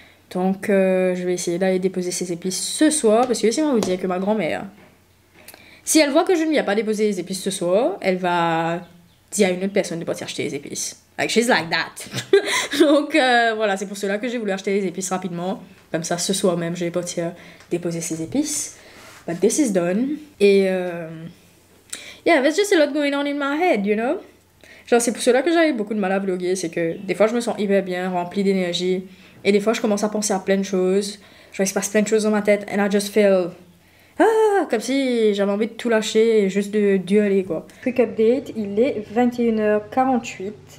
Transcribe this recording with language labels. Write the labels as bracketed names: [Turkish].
[French] Donc, je vais essayer d'aller déposer ces épices ce soir parce que sinon, vous dire que ma grand-mère, si elle voit que je ne lui ai pas déposé les épices ce soir, elle va dire à une autre personne de partir acheter les épices. [English] Like, she's like that. [French] Donc, voilà, c'est pour cela que j'ai voulu acheter les épices rapidement. Comme ça, ce soir même, je vais partir déposer ces épices. [English] But this is done. [French] Et, [English] yeah, there's just a lot going on in my head, you know? [French] Genre, c'est pour cela que j'avais beaucoup de mal à vlogger. C'est que des fois, je me sens hyper bien, remplie d'énergie. Et des fois, je commence à penser à plein de choses. Genre, il se passe plein de choses dans ma tête. [English] And I just feel... [French] Ah, comme si j'avais envie de tout lâcher et juste de aller quoi. [English] Quick update, [French] il est 21h48.